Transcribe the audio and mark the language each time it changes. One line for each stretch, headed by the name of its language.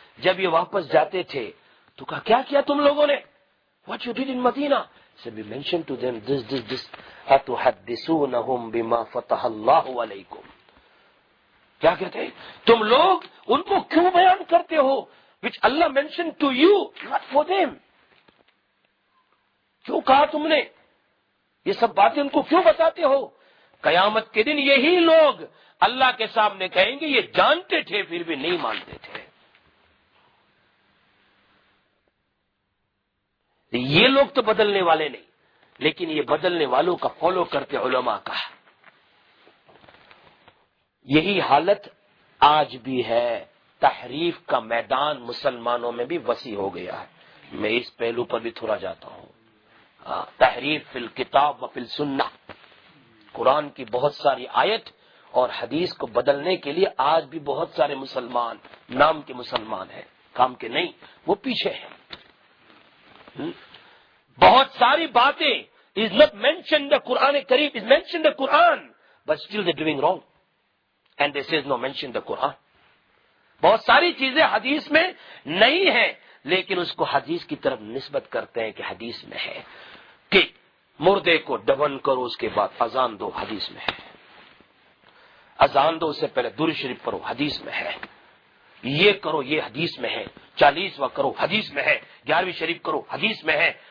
Urdu: جب یہ واپس جاتے تھے تو کہا کیا کیا تم لوگوں نے,
English: what you did in Madina, so we mentioned to them this,
Arabic: اتحدثونہم بما فتح اللہ علیکم.
Urdu: کیا کہتے ہیں تم لوگ ان کو کیوں بیان کرتے ہو
English: which Allah mentioned to you, not for them.
Urdu: کیوں کہا تم نے یہ سب باتیں ان کو کیوں بتاتے ہو؟ قیامت کے دن یہی لوگ اللہ کے سامنے کہیں گے یہ جانتے تھے پھر بھی نہیں مانتے تھے. یہ لوگ تو بدلنے والے نہیں, لیکن یہ بدلنے والوں کا فالو کرتے علماء کا. یہی حالت آج بھی ہے. تحریف کا میدان مسلمانوں میں بھی وسیع ہو گیا ہے. میں اس پہلو پر بھی تھوڑا جاتا ہوں.
Arabic: تحریف فی الکتاب و فی السنہ,
Urdu: قرآن کی بہت ساری آیت اور حدیث کو بدلنے کے لیے آج بھی بہت سارے مسلمان, نام کے مسلمان ہیں, کام کے نہیں, وہ پیچھے ہیں. بہت ساری باتیں
English: Is not mention the Quran Kareem, is mention the Quran, but still they doing wrong and this is no mention the Quran.
Urdu: بہت ساری چیزیں حدیث میں نہیں ہیں, لیکن اس کو حدیث کی طرف نسبت کرتے ہیں کہ حدیث میں ہے, کہ مردے کو دفن کرو اس کے بعد اذان دو, حدیث میں ہے. اذان دو سے پہلے درود شریف پڑھو, حدیث میں ہے. یہ کرو یہ حدیث میں ہے, چالیسواں کرو حدیث میں ہے, گیارہویں شریف کرو حدیث میں ہے.